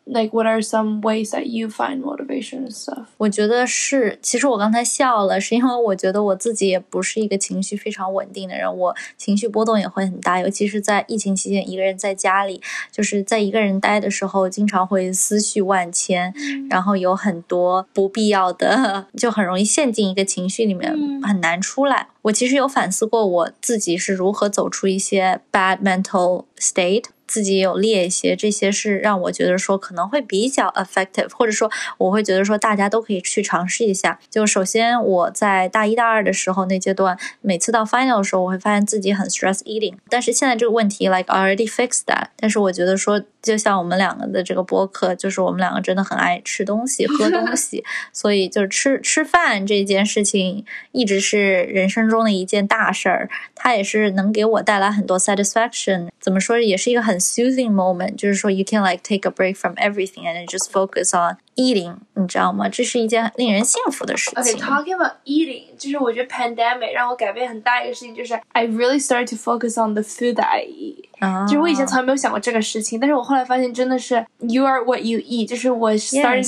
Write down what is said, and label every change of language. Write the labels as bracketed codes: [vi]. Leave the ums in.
[en] Like, what are some ways that you find motivation and stuff? [zh] 我觉得是，其实我刚才笑了，是因为我觉得我自己也不是一个情绪非常稳定的人，我情绪波动也会很大，尤其是在疫情期间，一个人在家里，就是在一个人待的时候，经常会思绪万千，mm hmm. 然后有很多不必要的，就很容易陷进一个情绪里面，mm hmm. 很难出来。我其实有反思过我自己是如何走出一些 [en] bad mental state， [zh] 自己有列一些，这些是让我觉得说可。可能会比较 effective，或者说我会觉得说大家都可以去尝试一下。就首先我在大一大二的时候那阶段，每次到 final 的时候，我会发现自己很 [en] stress eating。 [zh] 但是现在这个问题 [en] like already fixed that。 [zh] 但是我觉得说。就像我们两个的这个播客，就是我们两个真的很爱吃东西、喝东西，所以就是吃吃饭这件事情一直是人生中的一件大事儿。它也是能给我带来很多 satisfaction。怎么说，也是一个很 [en] soothing moment。就是说，you can like take a break from everything and just focus on. [zh] eating，你知道吗？这是一件很令人幸福的事情。 [en] Okay，talking [zh] about eating，就是我觉得 pandemic 让我改变很大一个事情，就是 [en] I really started to focus on the food that I eat。 [zh] 啊，就是我以前从来没有想过这个事情，但是我后来发现真的是 oh. [en] you are what you eat， [zh] 就是我 [en] started <Yes.